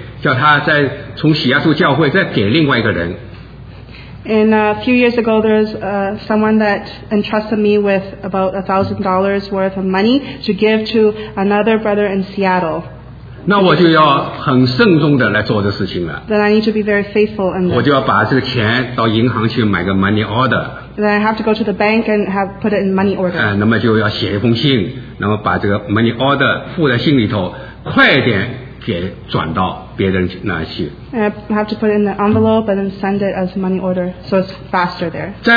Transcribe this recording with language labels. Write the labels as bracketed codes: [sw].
[zh] 在前几年有个弟兄，给我1000多块钱，叫我把这钱给这个西雅图教会，叫他再从西雅图教会再给另外一个人。 [en] And a few years ago, there's someone that entrusted me with about $1,000 worth of money to give to another brother in Seattle. [zh] 那我就要很慎重的来做这事情了。 [en] Then I need to be very faithful in this. [zh] 我就要把这个钱到银行去买个 money order. [en] Then I have to go to the bank and put it in money order. [zh] 那么就要写一封信，那么把这个 money order 附在信里头，快点。给转到别人那去。 [en] I have to put it in the envelope and then send it as money order, so it's faster there.